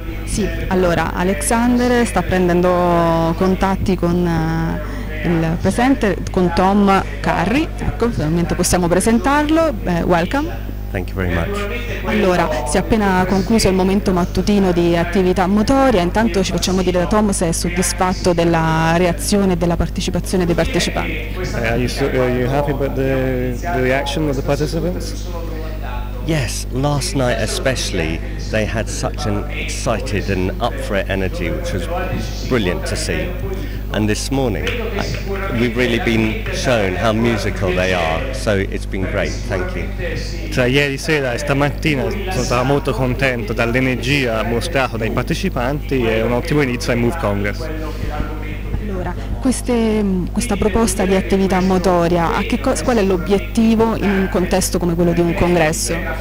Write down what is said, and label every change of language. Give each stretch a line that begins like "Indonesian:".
Italian: Sì, allora Alexander sta prendendo contatti con il presenter, con Tom Curry, ecco, finalmente possiamo presentarlo.
English: Welcome. Thank you very much.
Italian: Allora, si è appena concluso il momento mattutino di attività motoria, intanto ci facciamo dire da Tom se è soddisfatto della reazione e della partecipazione dei partecipanti.
English: Are you happy about the reaction of the participants? Yes, last night especially they had such an excited and up for it energy, which was brilliant to see. And this morning we've really been shown how musical they are, so it's been great, thank you.
Italian: Tra ieri sera e stamattina sono stato molto contento dall'energia mostrata dai partecipanti e un ottimo inizio ai Move Congress. Allora, questa proposta di attività motoria, qual è l'obiettivo in un contesto come quello di un congresso?